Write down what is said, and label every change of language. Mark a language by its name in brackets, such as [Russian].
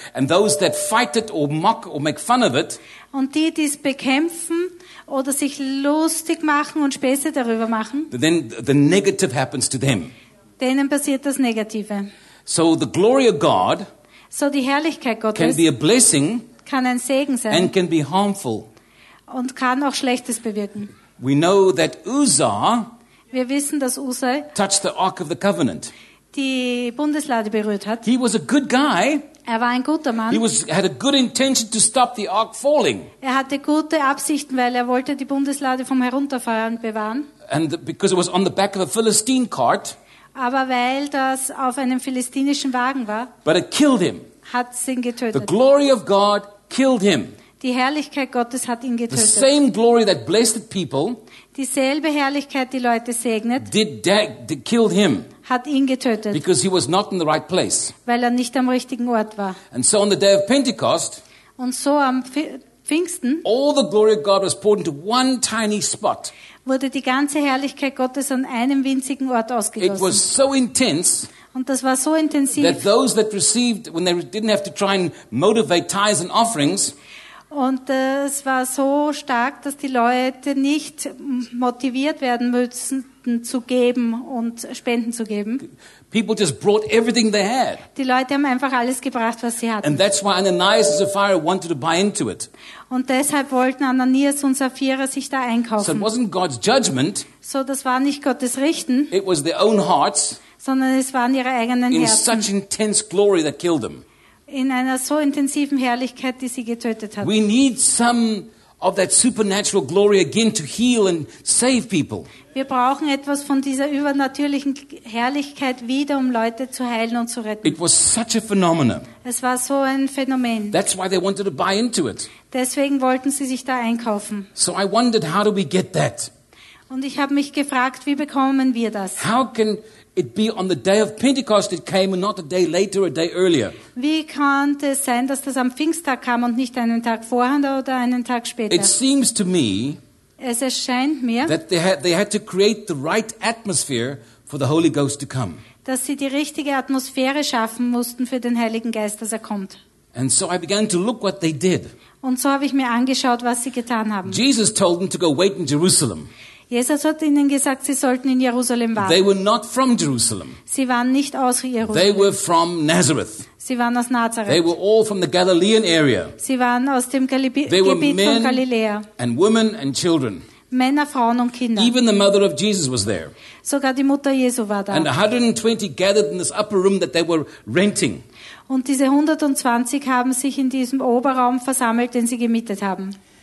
[English] And those that fight it or mock or make fun of it, [German] und die, die es bekämpfen, oder sich lustig machen und Späße darüber machen. [English] Then the negative happens to them. [German] Denen passiert das Negative. [English] So the glory of God, [German] so die Herrlichkeit Gottes, [English] can be a blessing, [German] kann ein Segen sein, [English] and can be harmful, [German] und kann auch Schlechtes bewirken. [English] We know that Uzzah, [German] wir wissen, dass Uzzah [English] touched the Ark of the Covenant, [German] die Bundeslade berührt hat. [English] He was a good guy. [German] Er war ein guter Mann. [English] He had a good intention to stop the ark falling. [German] Er hatte gute Absichten, weil er wollte die Bundeslade vom Herunterfallen bewahren. [English] And because it was on the back of a Philistine cart. [German] Aber weil das auf einem philistinischen Wagen war. [English] But it killed him. [German] Hat ihn getötet. [English] The glory of God killed him. [German] Die Herrlichkeit Gottes hat ihn getötet. [English] The same glory that blessed the people. [German] Dieselbe Herrlichkeit, die Leute segnet. [English] Did killed him. [German] Hat ihn getötet. [English] Because he was not in the right place. [German] Weil er nicht am richtigen Ort war. [English] And so on the day of Pentecost, [German] und so am Pfingsten, [English] all the glory of God was poured into one tiny spot. [German] Wurde die ganze Herrlichkeit Gottes an einem winzigen Ort ausgegossen. [English] It was so intense, [German] und das war so intensiv, [English] that those that received, when they didn't have to try and motivate tithes and offerings, [German] und es war so stark, dass die Leute nicht motiviert werden müssen, zu geben und Spenden zu geben. [English] People just brought everything they had. [German] Die Leute haben einfach alles gebracht, was sie hatten. [English] And that's why Ananias and Sapphira wanted to buy into it. [German] Und deshalb wollten Ananias und Sapphira sich da einkaufen. [English] So it wasn't God's judgment. [German] So das war nicht Gottes Richten. [English] It was their own hearts. [German] Sondern es waren ihre eigenen in Herzen. [English] In such intense glory that killed them. [German] In einer so intensiven Herrlichkeit, die sie getötet hat. [English] We need some of that supernatural glory again to heal and save people. [German] Wir brauchen etwas von dieser übernatürlichen Herrlichkeit wieder, um Leute zu heilen und zu retten. [English] It was such a phenomenon. [German] Es war so ein Phänomen. [English] That's why they wanted to buy into it. [German] Deswegen wollten sie sich da einkaufen. [English] So I wondered, how do we get that? [German] Und ich habe mich gefragt, wie bekommen wir das? [English] How can it be on the day of Pentecost it came and not a day later or a day earlier? [German] Wie kann es sein, dass das am Pfingsttag kam und nicht einen Tag vorher oder einen Tag später? [English] It seems to me, [German] es erscheint mir, [English] that they had to create the right atmosphere for the Holy Ghost to come. [German] Dass sie die richtige Atmosphäre schaffen mussten für den Heiligen Geist, dass er kommt. [English] And so I began to look what they did. [German] Und so habe ich mir angeschaut, was sie getan haben. [English] Jesus told them to go wait in Jerusalem. [German] Jesus hat ihnen gesagt, sie sollten in Jerusalem warten. [English] They were not from Jerusalem. [German] Sie waren nicht aus Jerusalem. [English] They were from Nazareth. [German] Sie waren aus Nazareth. [English] They were all from the Galilean area. [German] Sie waren aus dem Gebiet von Galiläa. [English] And women and children. [German] Männer, Frauen und Kinder. [English] Even the mother of Jesus was there. [German] Sogar die Mutter Jesu war da. [English] And 120 gathered in this upper room that they were renting. [German] Und diese 120 haben sich in diesem Oberraum versammelt, den sie gemietet haben.